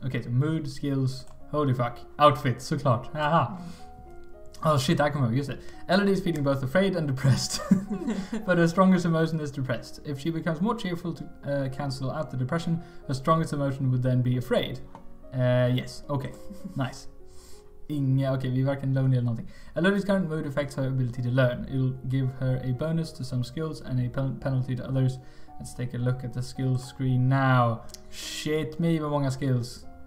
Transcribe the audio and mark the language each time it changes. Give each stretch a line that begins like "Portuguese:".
English: Okay, so mood, skills, holy fuck. Outfit, såklart. Aha. Oh shit, I can remember, use it. Elodie's feeling both afraid and depressed. But her strongest emotion is depressed. If she becomes more cheerful to cancel out the depression, her strongest emotion would then be afraid. Yes, okay, nice.
Swedish: Inga, okay, vi är varken lonely eller någonting.
English: Elodie's current mood affects her ability to learn. It'll give her a bonus to some skills and a penalty to others. Let's take a look at the skills screen now. Shit me,
Swedish: vad många skills.